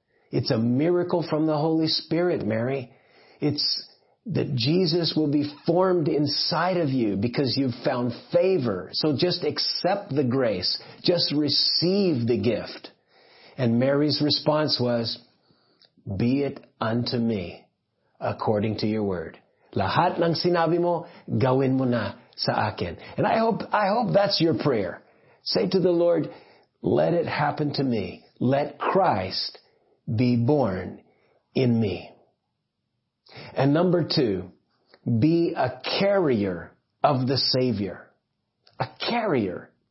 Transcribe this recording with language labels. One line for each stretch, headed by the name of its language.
English: It's a miracle from the Holy Spirit, Mary. It's that Jesus will be formed inside of you because you've found favor. So just accept the grace. Just receive the gift." And Mary's response was, "Be it unto me according to your word.
Filipino: Lahat ng sinabi mo, gawin mo na sa akin."
English: And I hope that's your prayer. Say to the Lord, "Let it happen to me. Let Christ be born in me." And number two, be a carrier of the Savior. A carrier.